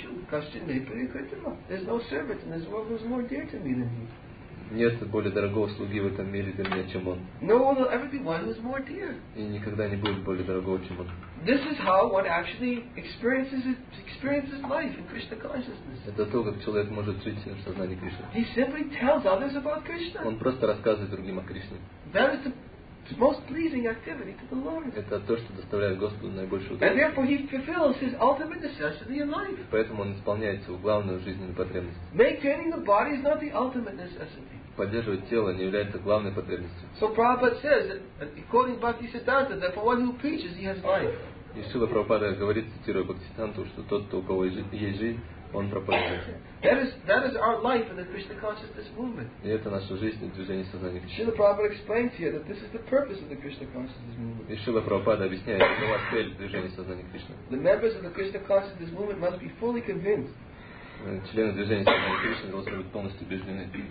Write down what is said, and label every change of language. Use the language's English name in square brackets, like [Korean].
[English] There's no servant in this world who's more dear to me than he. [Russian] Нет более дорогого слуги в этом мире для меня, чем он. [English] No one will ever be one who's more dear. [Russian] И никогда не будет более дорогого, чем он. [English] This is how one actually experiences life in Krishna consciousness. [Russian] Это то, как человек может жить в сознании Кришны. [English] He simply tells others about Krishna. [Russian] Он просто рассказывает другим о Кришне. [English] That is the most pleasing activity to the Lord. [Russian] Это то, что доставляет Господу наибольшее удовольствие. [English] And therefore he fulfills his ultimate necessity in life. [Russian] Поэтому он исполняет свою главную жизненную потребность. [English] Maintaining the body is not the ultimate necessity. [Russian] Поддерживать тело не является главной потребностью. [English] So Prabhupada says, according to Bhaktisiddhanta, that for one who preaches, he has life. [Russian] И Шрила Прабхупада говорит, цитируя Бхактисиддханту, что тот, у кого есть жизнь, он проповедует. [English] That is our life in the Krishna consciousness movement. [Russian] И это наша жизнь в движении сознания Кришны. [English] Шрила Прабхупада explains here that this is the purpose of the Krishna consciousness movement. [Russian] И Шрила Прабхупада объясняет, какова цель движения сознания Кришны. [English] The members of the Krishna consciousness movement must be fully convinced. [Russian] Члены движения сознания Кришны должны быть полностью убеждены.